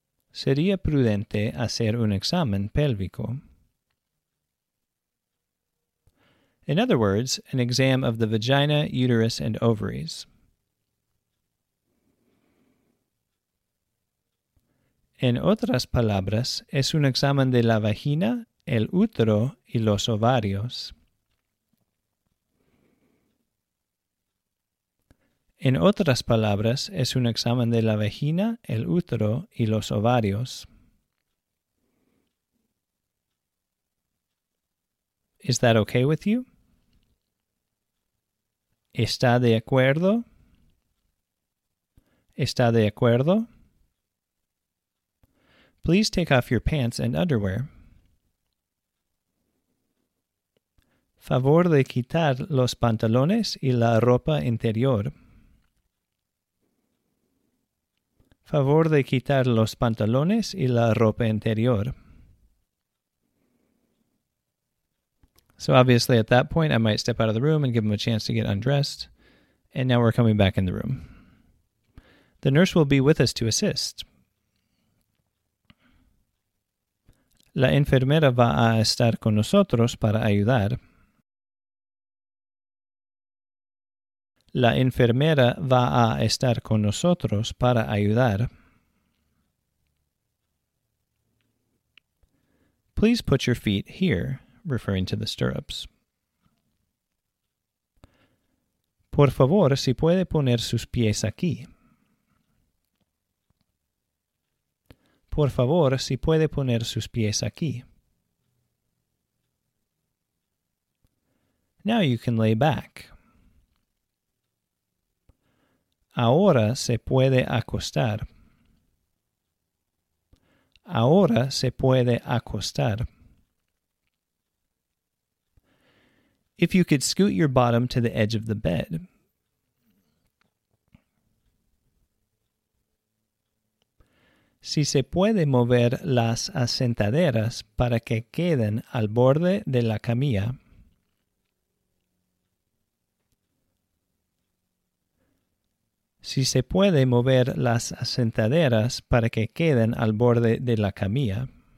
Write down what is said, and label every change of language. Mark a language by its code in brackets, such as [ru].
[es] Sería prudente hacer un examen pélvico. [en] In other words, an exam of the vagina, uterus, and ovaries. [es] En otras palabras, es un examen de la vagina, el útero y los ovarios. En otras palabras, es un examen de la vagina, el útero y los ovarios. [en] Is that okay with you? [es] ¿Está de acuerdo? ¿Está de acuerdo? [en] Please take off your pants and underwear. [es] Favor de quitar los pantalones y la ropa interior. Favor de quitar los pantalones y la ropa interior. [en] So obviously at that point I might step out of the room and give him a chance to get undressed. And now we're coming back in the room. The nurse will be with us to assist. [es] La enfermera va a estar con nosotros para ayudar. La enfermera va a estar con nosotros para ayudar. [en] Please put your feet here, referring to the stirrups. [es] Por favor, si puede poner sus pies aquí. Por favor, si puede poner sus pies aquí. [en] Now you can lay back. [es] Ahora se puede acostar. Ahora se puede acostar. [en] If you could scoot your bottom to the edge of the bed. [es] Si se puede mover las asentaderas para que queden al borde de la camilla. Si se puede mover las asentaderas para que queden al borde de la camilla.